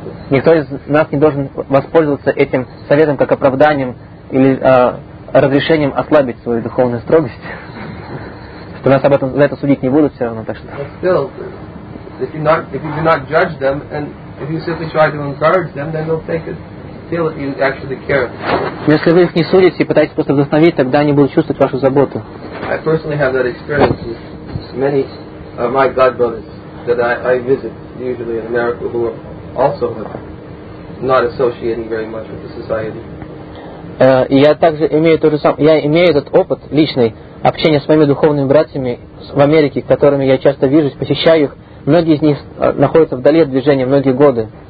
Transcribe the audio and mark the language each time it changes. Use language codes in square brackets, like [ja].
[ru] Никто из нас не должен воспользоваться этим советом как оправданием или разрешением ослабить свою духовную строгость. Что нас об этом за это судить не будут все равно, так что. [en] Still, if you do not judge them and if you simply try to encourage them, then they'll take it till you actually care. [ru] Если вы их не судите и пытаетесь просто вдохновить, тогда они будут чувствовать вашу заботу. [en] I personally have that experience with many of my God brothers that I visit usually in America who are also not associating very much with the society. [ru] Я имею этот опыт личный. Общение с моими духовными братьями в Америке, которыми я часто вижусь, посещаю их, многие из них находятся вдали от движения многие годы.